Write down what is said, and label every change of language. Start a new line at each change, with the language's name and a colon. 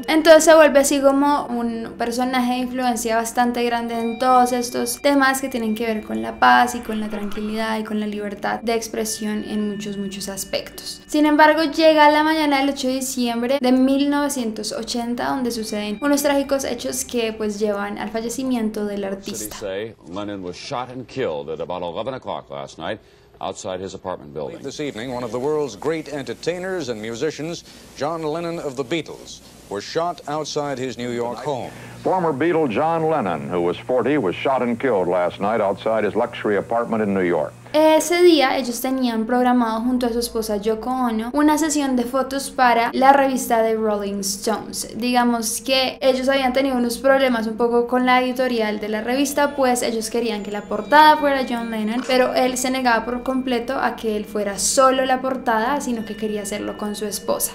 Spanish: Entonces se vuelve así como un personaje de influencia bastante grande en todos estos temas que tienen que ver con la paz y con la tranquilidad y con la libertad de expresión en muchos muchos aspectos. Sin embargo, llega la mañana del 8 de diciembre de 1980 donde suceden unos trágicos hechos que pues llevan al fallecimiento del artista.
English: Lennon was shot and killed at about 11 o'clock last night outside his apartment building. This evening, one of the world's great entertainers and musicians, John Lennon of the Beatles, was shot outside his New York home. Former Beatle John Lennon, who was 40, was shot and killed last night outside his luxury apartment in New York.
Spanish: Ese día ellos tenían programado junto a su esposa Yoko Ono una sesión de fotos para la revista de Rolling Stones. Digamos que ellos habían tenido unos problemas un poco con la editorial de la revista, pues ellos querían que la portada fuera John Lennon, pero él se negaba por completo a que él fuera solo la portada, sino que quería hacerlo con su esposa.